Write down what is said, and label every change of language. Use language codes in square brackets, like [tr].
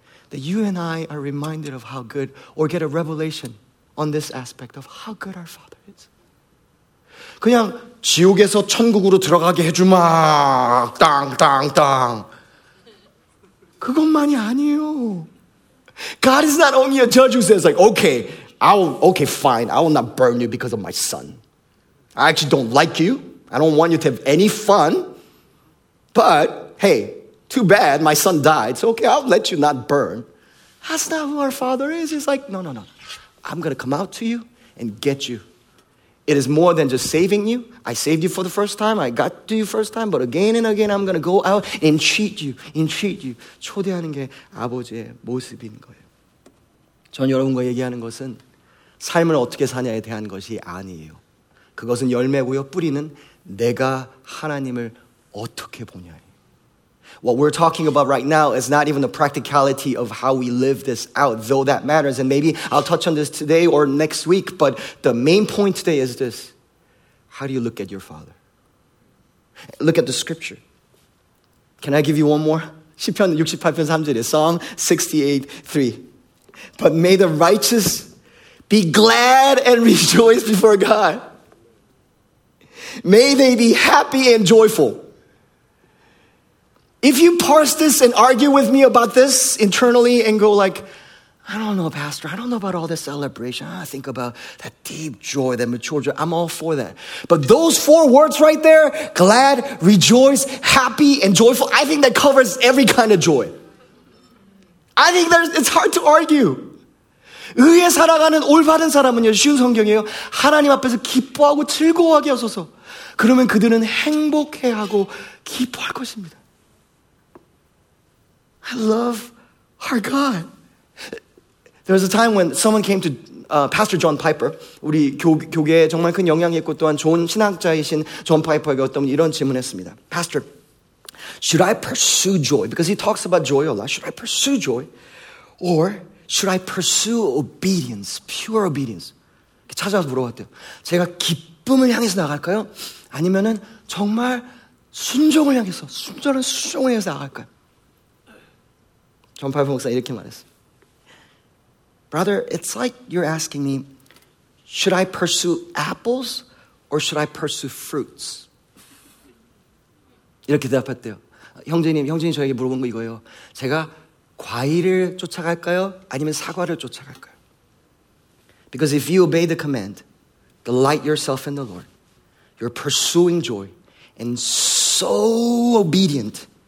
[en] That you and I are reminded of how good, or get a revelation on this aspect of how good our Father is. [ko] 그냥 지옥에서 천국으로 들어가게 해주마. 땅, 땅, 땅. 그것만이 아니에요. [en] God is not only a judge who says like, okay, I will not burn you because of my son. I actually don't like you. I don't want you to have any fun. But, hey, too bad, my son died. So, okay, I'll let you not burn. That's not who our Father is. He's like, no, no, no. I'm going to come out to you and get you. It is more than just saving you. I saved you for the first time. I got to you first time. But again and again, I'm going to go out and cheat you. And cheat you. [ko] 초대하는 게 아버지의 모습인 거예요. 전 여러분과 얘기하는 것은 삶을 어떻게 사냐에 대한 것이 아니에요. 그것은 열매고요. 뿌리는 내가 하나님을 어떻게 보냐예요. [en] What we're talking about right now is not even the practicality of how we live this out, though that matters. And maybe I'll touch on this today or next week, but the main point today is this. How do you look at your Father? Look at the scripture. Can I give you one more? [ko] 시편 68편 3절에 [en] Psalm 68:3. But may the righteous be glad and rejoice before God. May they be happy and joyful. If you parse this and argue with me about this internally and go like, I don't know, Pastor. I don't know about all this celebration. I think about that deep joy, that mature joy. I'm all for that. But those four words right there, glad, rejoice, happy, and joyful, I think that covers every kind of joy. I think it's hard to argue. [ko] 의에 살아가는 올바른 사람은요, 쉬운 성경이에요. 하나님 앞에서 기뻐하고 즐거워하게 하소서. 그러면 그들은 행복해하고 기뻐할 것입니다. [en] I love our God. There was a time when someone came to Pastor John Piper, [ko] 우리 교계에 정말 큰 영향이 있고 또한 좋은 신학자이신 존 파이퍼에게 어떤 이런 질문을 했습니다. [en] Pastor, should I pursue joy? Because he talks about joy a lot. Should I pursue joy? Or should I pursue obedience, pure obedience? [ko] 이렇게 찾아와서 물어봤대요. 제가 기쁨을 향해서 나갈까요? 아니면은 정말 순종을 향해서, 순전한 순종을 향해서 나갈까요? 전 파이퍼 목사 이렇게 말했어요. [en] Brother, it's like you're asking me, should I pursue apples or should I pursue fruits? [ko] 이렇게 대답했대요. 형제님 저에게 물어본 거 이거예요. 제가 과일을 쫓아갈까요? 아니면 사과를 쫓아갈까요? [en] Because if you obey the command, delight yourself in the Lord, you're pursuing joy and so obedient.